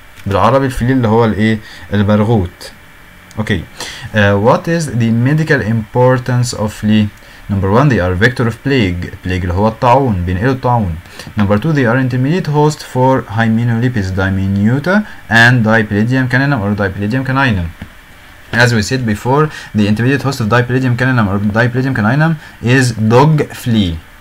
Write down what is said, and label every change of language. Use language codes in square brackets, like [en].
[ar] بالعربي الفلي اللي هو الايه البرغوت. [en] Okay, what is the medical importance of flea? Number one, they are vector of plague. [ar] Plague اللي هو الطاعون, بينقلوا الطاعون. [en] Number two, they are intermediate host for Hymenolepis diminuta and Diplodium caninum or Diplodium caninum. As we said before, the intermediate host of Diplodium caninum or Diplodium caninum is dog flea.